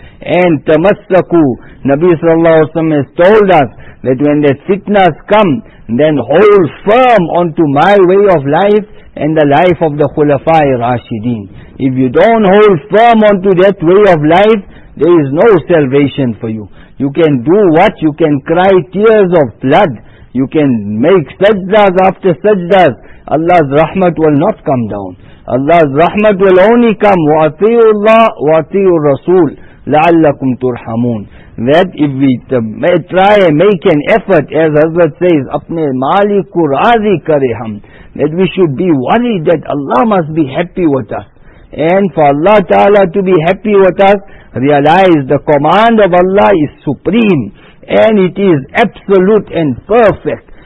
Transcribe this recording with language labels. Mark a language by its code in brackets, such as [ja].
[en] And tamassaku, Nabi sallallahu alayhi wa sallam has told us that when the fitnas come, then hold firm onto my way of life and the life of the Khulafai Rashideen. If you don't hold firm onto that way of life, there is no salvation for you. You can do what? You can cry tears of blood. You can make sajdas after sajdas. Allah's rahmat will not come down. Allah's rahmat will only come, [ar] وَأَطِيُوا اللَّهِ وَأَطِيُوا الرَّسُولِ لَعَلَّكُمْ تُرْحَمُونَ. [en] That if we try and make an effort, as Hazrat says, [ur] اَپْنَي مَالِكُ رَاضِ كَرِهَمْ, [en] that we should be worried that Allah must be happy with us. And for Allah Ta'ala to be happy with us, realize the command of Allah is supreme, and it is absolute and perfect.